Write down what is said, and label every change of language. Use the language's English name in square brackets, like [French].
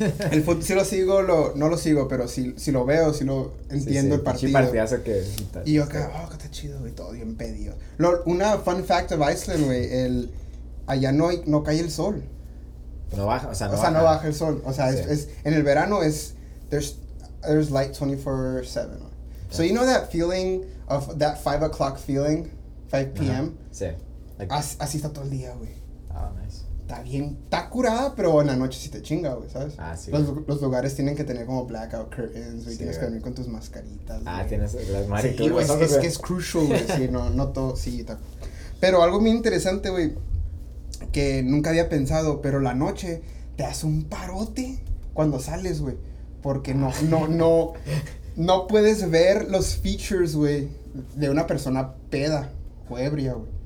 [Spanish] El fútbol, sí lo sigo, no lo sigo, pero sí lo veo, sí lo entiendo, sí, sí, el partido. Sí, partidazo que... Y yo acá, oh, qué está chido, güey, todo bien pedido. Una [English] fun fact of Iceland, [Spanish] güey, el... allá no, no cae el sol. No baja, o sea, no baja. O sea, no baja el sol. O sea, sí. Es, en el verano es, [English] there's light 24/7. Okay. So you know that feeling of that 5 o'clock feeling, 5 p.m.? Uh-huh. Sí. [Spanish] Like, así, así está todo el día, güey. [English] Oh, nice. [Spanish] Está bien, está curada, pero en la noche sí te chinga, güey, ¿sabes? Ah, sí. Los lugares tienen que tener como blackout curtains, güey, sí, tienes, güey, que dormir con tus mascaritas, ah, güey. Tienes las mariquitas. Sí, güey, es que es crucial, güey, sí, no, no todo, sí, está. Pero algo muy interesante, güey, que nunca había pensado, pero la noche te hace un parote cuando sales, güey, porque no, no, no, no puedes ver los features, güey, de una persona peda o ebria, güey.